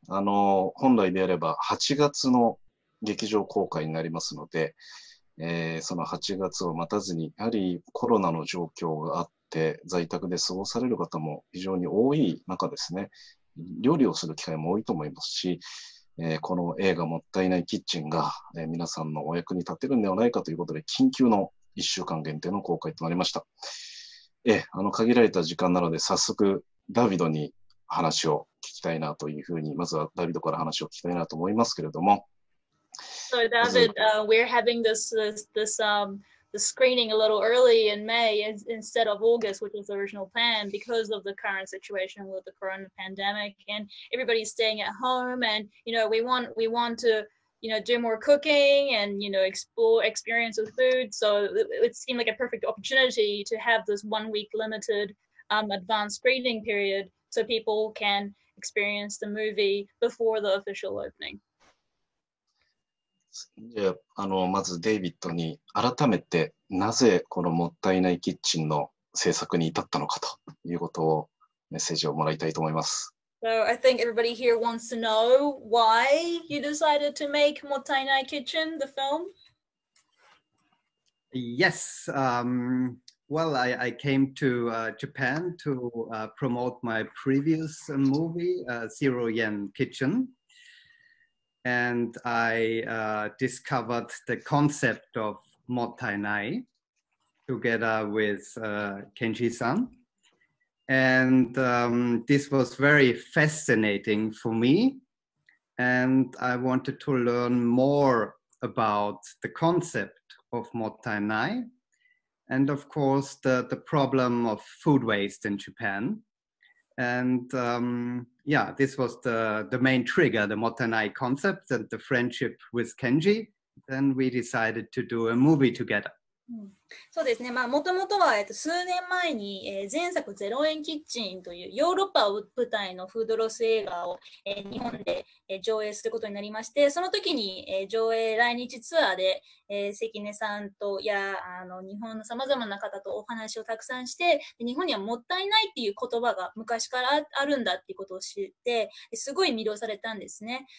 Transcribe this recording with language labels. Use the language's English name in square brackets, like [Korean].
[Japanese] 本来であれば8月の劇場公開になりますので、その8月を待たずに、やはりコロナの状況があって、在宅で過ごされる方も非常に多い中ですね、料理をする機会も多いと思いますし、この映画もったいないキッチンが、皆さんのお役に立てるんではないかということで、緊急の1週間限定の公開となりました。限られた時間なので、早速ダビドに話を聞きたいなというふうに、まずはダビドから話を聞きたいなと思いますけれども、 [English] So [Japanese] まず、 [English] David, we're having the screening a little early in May instead of August, which was the original plan because of the current situation with the corona pandemic and everybody's staying at home and we want to do more cooking and explore experience with food. So it seemed like a perfect opportunity to have this 1 week limited advanced screening period so people can experience the movie before the official opening. [Japanese] じゃあ、まずデイビッドに改めて、なぜこのもったいないキッチンの制作に至ったのかということをメッセージをもらいたいと思います。 [English] So I think everybody here wants to know why you decided to make Mottainai Kitchen, the film. Yes, well, I came to Japan to promote my previous movie, Zero Yen Kitchen. And I discovered the concept of Mottainai together with Kenji-san. And this was very fascinating for me. And I wanted to learn more about the concept of Mottainai. And of course, the problem of food waste in Japan. And yeah, this was the main trigger, the Mottainai concept and the friendship with Kenji. Then we decided to do a movie together. [Japanese] そうですね、もともとは数年前に、前作「ゼロ円キッチン」というヨーロッパを舞台のフードロス映画を、日本で、上映することになりまして、その時に、上映来日ツアーで、関根さんとや日本のさまざまな方とお話をたくさんして、日本にはもったいないっていう言葉が昔からあるんだっていうことを知って、すごい魅了されたんですね。